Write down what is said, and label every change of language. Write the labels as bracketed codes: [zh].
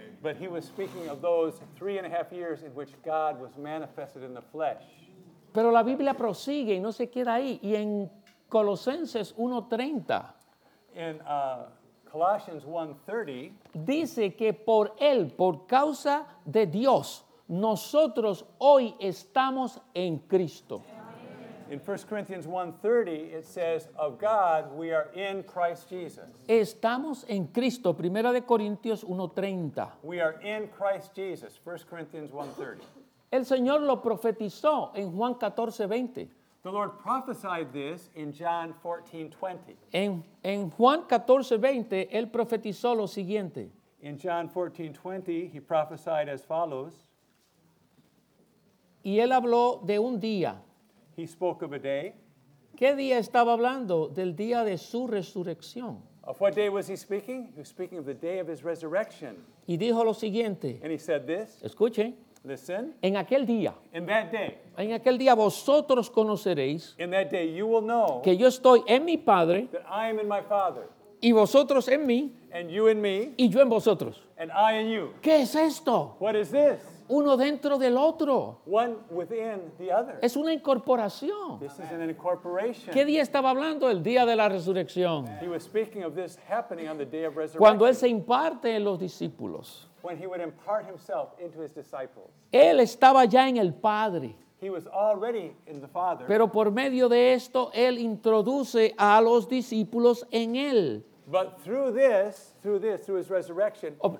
[en] But he was speaking of those 3.5 years in which God was manifested in the flesh. [es] Pero la Biblia prosigue y no se queda ahí. Y en Colosenses 1.30, [en] in Colossians 1.30, [es] dice que por él, por causa de Dios, nosotros hoy estamos en Cristo. [en] In 1 Corinthians 1:30, it says, of God, we are in Christ Jesus. [es] Estamos en Cristo. Primera de Corintios 1:30. [en] We are in Christ Jesus. 1 Corinthians 1:30. [es] El Señor lo profetizó en Juan 14:20. [en] The Lord prophesied this in John 14:20. [es] En Juan 14:20, él profetizó lo siguiente. [en] In John 14:20, he prophesied as follows. [es] Y él habló de un día. [en] He spoke of a day. [es] ¿Qué día estaba hablando? Del día de su resurrección. [en] Of what day was he speaking? He was speaking of the day of his resurrection. [es] Y dijo lo siguiente. [en] And he said this. [es] Escuche. [en] Listen. [es] En aquel día. [en] In that day. [es] En aquel día vosotros conoceréis. [en] In that day you will know. [es] Que yo estoy en mi Padre. [en] That I am in my Father. [es] Y vosotros en mí. [en] And you in me. [es] Y yo en vosotros. [en] And I in you. [es] ¿Qué es esto? [en] What is this? [es] Uno dentro del otro. [en] One within the other. [es] Es una incorporación. [en] This is an incorporation. [es] ¿Qué día estaba hablando? El día de la resurrección. [en] He was speaking of this happening on the day of resurrection. [es] Cuando él se imparte en los discípulos. [en] When he would impart himself into his disciples. [es] Él estaba ya en el Padre. [en] He was already in the Father. [es] Pero por medio de esto, él introduce a los discípulos en él. [en] But through this, through his resurrection,